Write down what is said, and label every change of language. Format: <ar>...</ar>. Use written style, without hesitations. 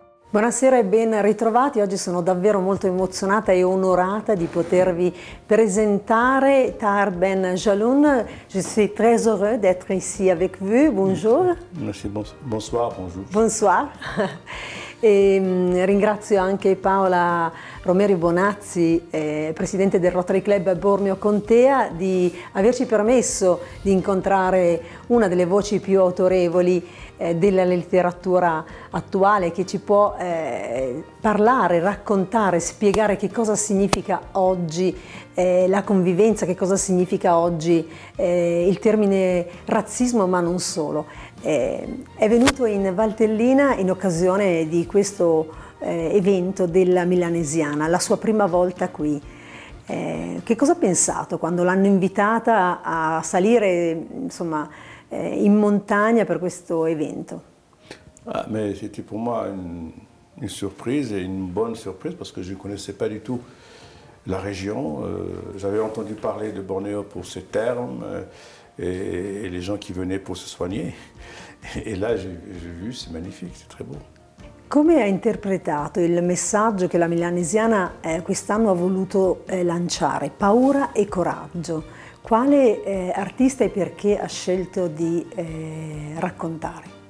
<it>Buonasera e ben ritrovati. Oggi sono davvero molto emozionata e onorata di potervi presentare Tahar Ben Jalloun.</it> <fr>Je suis très heureux d'être ici avec vous. Bonjour. Merci, bonsoir, bonjour. Bonsoir.</fr> <it>E ringrazio anche Paola Romeri Bonazzi, presidente del Rotary Club Bormio Contea, di averci permesso di incontrare una delle voci più autorevoli della letteratura attuale che ci può parlare, raccontare, spiegare che cosa significa oggi la convivenza, che cosa significa oggi il termine razzismo, ma non solo. È venuto in Valtellina in occasione di questo evento della Milanesiana, la sua prima volta qui. Che cosa ha pensato quando l'hanno invitata a salire, insomma, in montagna per questo evento?</it> <fr>Ah, mais c'était pour moi une surprise et une bonne surprise parce que je ne connaissais pas du tout la région. J'avais entendu parler de Bornéo pour ses thermes et les gens qui venaient pour se soigner. Et là, j'ai vu, c'est magnifique, c'est très beau.</fr> <it>Come ha interpretato il messaggio che la Milanesiana quest'anno ha voluto lanciare? Paura e coraggio. Quale artista e perché ha scelto di raccontare?</it>